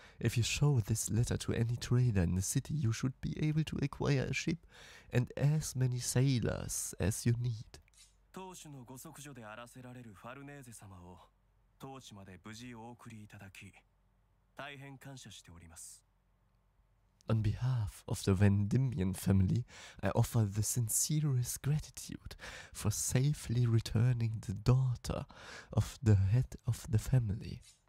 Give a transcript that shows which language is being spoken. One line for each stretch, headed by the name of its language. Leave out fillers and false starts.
English: If you show this letter to any trader in the city, you should be able to acquire a ship and as many sailors as you need.
Japanese: 当主のご息女であらせられるファルネーゼ様を当地まで無事お送りいただき、大変感謝しております。
English: On behalf of the Vendimian family, I offer the sincerest gratitude for safely returning the daughter of the head of the family.